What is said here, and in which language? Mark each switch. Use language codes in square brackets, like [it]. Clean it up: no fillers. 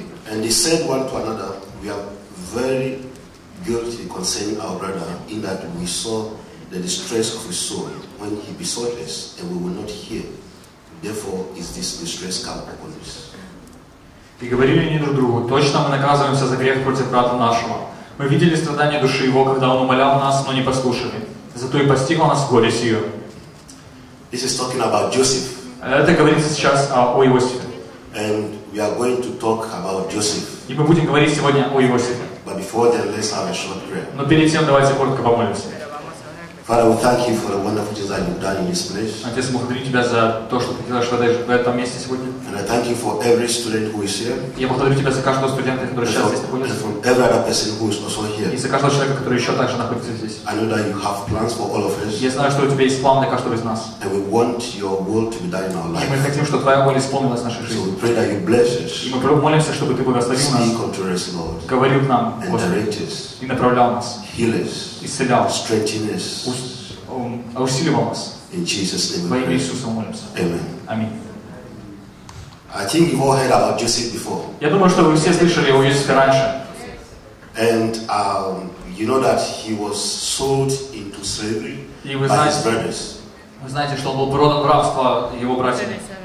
[en] And he said one to another, we are very guilty concerning our brother, in that we saw the distress of his soul when he besought us, and we will not hear. Therefore is this distress come upon us. [ru] И говорили они друг другу, точно мы наказываемся за грех против брата нашего. Мы видели страдания души его, когда он умолял нас, но не послушали. Зато и постигло нас горе сие. [en] This is talking about Joseph. [ru] Это говорится сейчас о Иосифе. [en] And we are going to talk about Joseph. [ru] И мы будем говорить сегодня о Иосифе. [en] But before that, let's have a short prayer. [ru] Но перед тем давайте коротко помолимся. [en] Father, we thank you for the wonderful things that you've done in this place. [ru] Отец, мы благодарим тебя за то, что ты делаешь в этом месте сегодня. [en] And I thank you for every student who is here. [ru] Я благодарю тебя за каждого студента, который сейчас здесь находится. [en] And for every other person who is also here. [ru] И за каждого человека, который еще также находится здесь. [en] I know that you have plans for all of us. [ru] Я знаю, что у тебя есть план для каждого из нас. [en] And we want your will to be done in our life. [ru] И мы хотим, чтобы твоя воля исполнилась в нашей жизни. [en] So we pray that you bless us. [ru] И мы молимся, чтобы ты благословил нас. [en] Speak unto us, Lord. [ru] Говорил нам, Господи. И направлял нас. [en] Heal us. [ru] Исцелял. [en] Strengthen us. [ru] Усиливал вас. [en] In Jesus' name. [ru] Во имя Иисуса молимся. [en] Amen. [ru] Аминь. [en] I think you've all heard about Joseph before. [ru] Я думаю, что вы все слышали о Иосифе раньше. [en] And you know that he was sold into slavery by his brothers. [ru] Вы знаете, что он был продан в рабство его братьями.